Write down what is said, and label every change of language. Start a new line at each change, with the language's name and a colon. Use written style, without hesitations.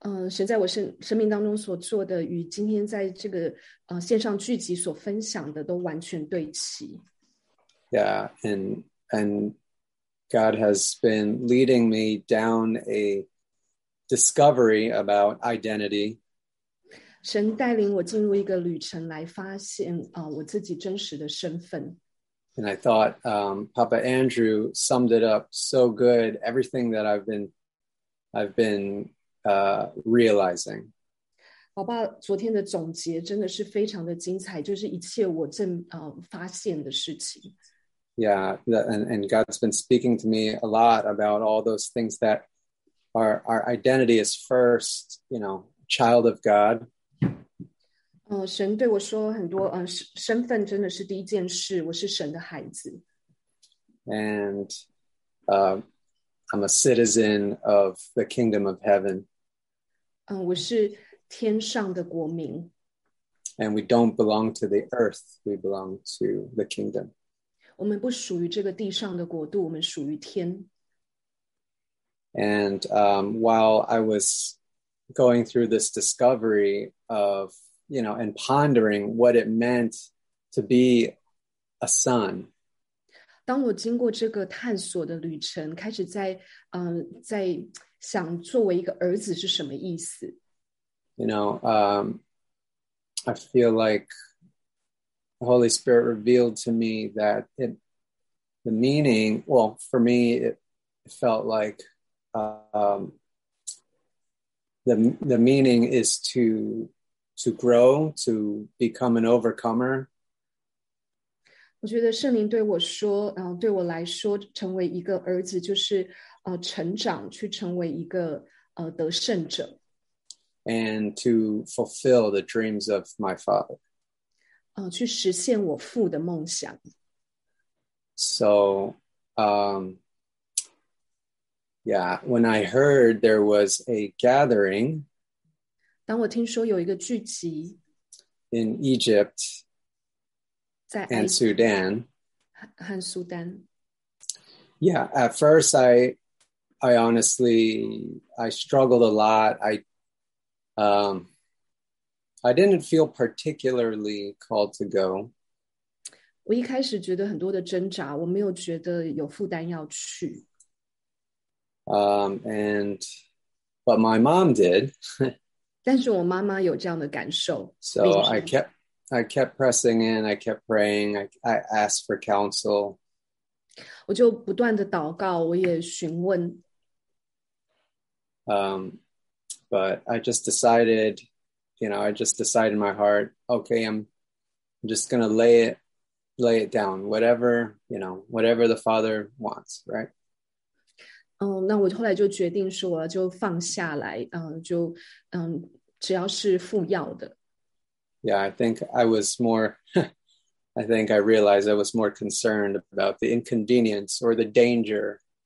Chinese: 神在我生命当中所做的与今天在这个线上聚集所分享的都完全对齐。
English: Yeah, and God has been leading me down a discovery about identity.
Chinese: 神带领我进入一个旅程来发现我自己真实的身份。
English: And I thought, Papa Andrew summed it up so good, everything that I've been realizing.
Chinese: 宝爸昨天的总结真的是非常的精彩，就是一切我正发现的事情。
English: Yeah, and God's been speaking to me a lot about all those things that our identity is first, you know, child of God.
Chinese: 神对我说很多身份真的是第一件事，我是神的孩子。
English: and I'm a citizen of the kingdom of heaven.
Chinese: 我是天上的国民。
English: And we don't belong to the earth, we belong to the kingdom.
Chinese: 我们不属于这个地上的国度，我们属于天。
English: And while I was going through this discovery of, you know, and pondering what it meant to be a son,
Chinese: 当我经过这个探索的旅程，开始在 在想作为一个儿子是什么意思。
English: You know, I feel like the Holy Spirit revealed to me that it, the meaning, well, for me, it felt like the meaning is to grow, to become an overcomer.
Chinese: 我觉得圣灵对我说, 对我来说, 成为一个儿子, 就是, 成长, 去成为一个, 得胜者。
English: And to fulfill the dreams of my father.
Chinese: 去实现我父的梦想。
English: So, when I heard there was a gathering,
Chinese: 当我听说有一个聚集,
English: in Egypt, and Sudan. Yeah, at first I honestly struggled a lot. I didn't feel particularly called to go.
Chinese: 我一开始觉得很多的挣扎，我没有觉得有负担要去。
English: But my mom did.
Chinese: 但是我妈妈有这样的感受。
English: So I kept pressing in, I kept praying, I asked for counsel.
Chinese: 我就不断的祷告，我也询问。
English: But I just decided, you know, I just decided in my heart, okay, I'm just gonna lay it down, whatever, you know, whatever the Father wants, right?
Chinese: 那我后来就决定说，就放下来， 只要是父要的。
English: Yeah, I think I was more, I think I realized I was more concerned about the inconvenience or the danger.